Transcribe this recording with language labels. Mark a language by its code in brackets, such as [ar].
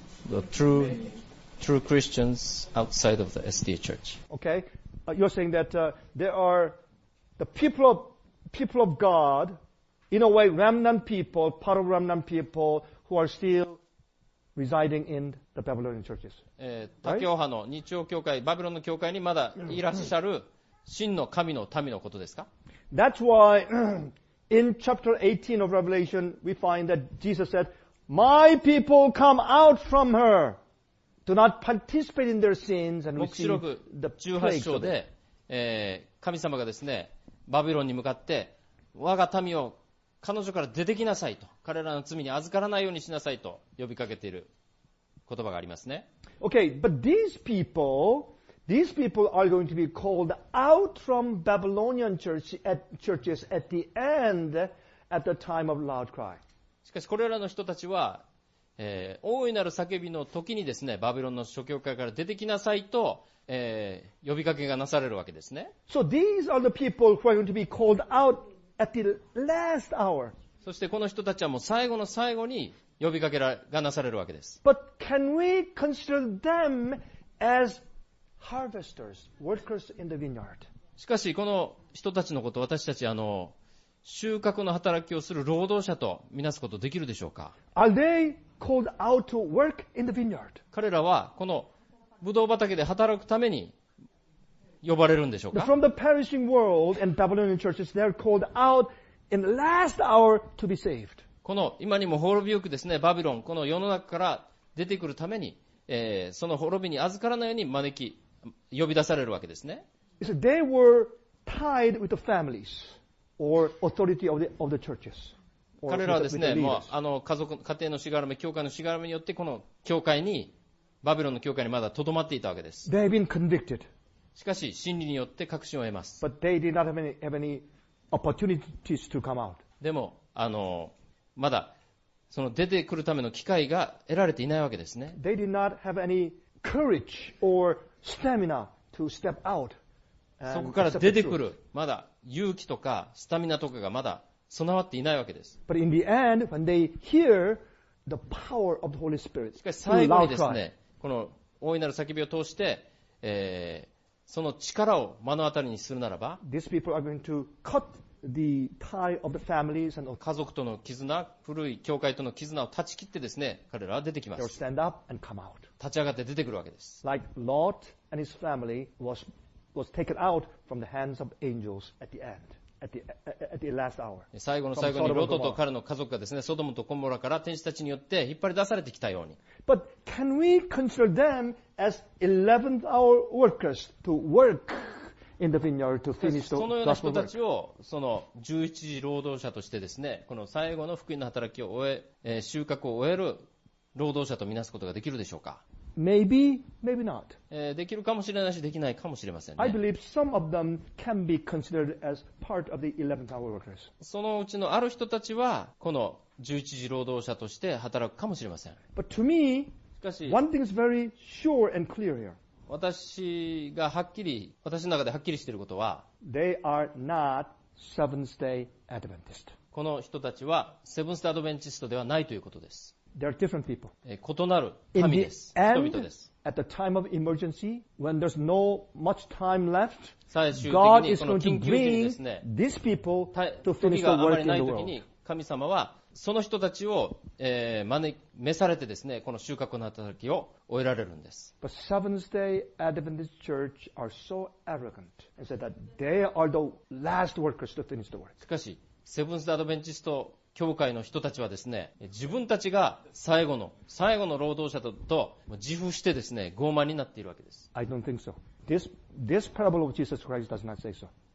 [en] The true Christians outside of the SDA Church. Okay, you're saying that there are the people of God, in a way, remnant people, part of remnant people who are still residing in the Babylonian churches. [ja] 他教派の日曜教会、バビロンの教会にまだいらっしゃる真の神の民のことですか？ [en] That's why. In chapter 18 of Revelation, we find that Jesus said, "My people come out from her. Do not participate in their sins and receive the plagues." [ja] 18章で、神様がですね、バビロンに向かって、我が民を彼女から出てきなさいと、彼らの罪に預からないようにしなさいと呼びかけている言葉がありますね。 [en] Okay, but these people are going to be called out from Babylonian churches at the end, at the time of loud cry. [ja] しかしこれらの人たちは、大いなる叫びの時にですね、バビロンの諸教会から出てきなさいと、呼びかけがなされるわけですね。 [en] So these are the people who are going to be called out at the last hour. [ja] そしてこの人たちはもう最後の最後に呼びかけがなされるわけです。 [en] But can we consider them as Harvesters, workers in the vineyard. [ja] しかしこの人たちのこと、私たち収穫の働きをする労働者とみなすことできるでしょうか？ [en] Are they called out to work in the vineyard? [ja] 彼らはこのブドウ畑で働くために呼ばれるんでしょうか？ [en] From the perishing world and Babylonian churches, they are called out in the last hour to be saved. [ja] この今にも滅びゆくですね、バビロン、この世の中から出てくるために、その滅びに預からないように招き呼び出されるわけですね。 [en] They were tied with the families or authority of the churches. [ja] 彼らはですね、もう家族、家庭のしがらみ、教会のしがらみによってこの教会に、バビロンの教会にまだとどまっていたわけです。 [en] They've been convicted. [ja] しかし真理によって確信を得ます。 [en] But they did not have any opportunities to come out. [ja] でもまだその出てくるための機会が得られていないわけですね。 [en] They did not have any courage or stamina to step out. [ja] そこから出てくるまだ勇気とかスタミナとかがまだ備わっていないわけです。 [en] But in the end, when they hear the power of the Holy Spirit, [ja] しかし最後にですね、この大いなる叫びを通して、その力を目の当たりにするならば、 [en] These people are going to cut. The tie of the families and [ja] 家族との絆、古い教会との絆を断ち切ってですね、彼らは出てきます。 [en] They'll stand up and come out. [ja] 立ち上がって出てくるわけです。 [en] Like Lot and his family was taken out from the hands of angels at the end, at the last hour. [ja] 最後の最後にロトと彼の家族がですね、ソドムとコモラから天使たちによって引っ張り出されてきたように。 [en] But can we consider them as 11th hour workers to work? In the vineyard to finish the gospel work. [ja] そのような人たちをその11時労働者としてですね、この最後の福音の働きを終え、収穫を終える労働者とみなすことができるでしょうか？ [en] Maybe, maybe not. [ja] できるかもしれないし、できないかもしれませんね。 [en] I believe some of them can be considered as part of the 11th hour workers. [ja] そのうちのある人たちはこの11時労働者として働くかもしれません。 [en] But to me, [ja] しかし、 [en] one thing is very sure and clear here. [ja] 私がはっきり、私の中ではっきりしていることは、 [en] They are not Seventh-day Adventist. [ja] この人たちはセブンス・アドベンチストではないということです。 [en] They are different people. [ja] 異なる民です。人々です。 [en] At the time of emergency, when there's no much time left, [ja] 最終的にこの緊急時にですね、 [en] these people to finish the work in the world. [ja] 神様はその人たちを召されてですね、この収穫の働きを終えられるんです。 [en] But Seventh Day Adventist Church are so arrogant and said that they are the last workers to finish the work. [ja] しかし、セブンス・アドベンチスト教会の人たちはですね、自分たちが最後の労働者と自負してですね、傲慢になっているわけです。 [en] I don't think so. This parable of Jesus Christ does not say so.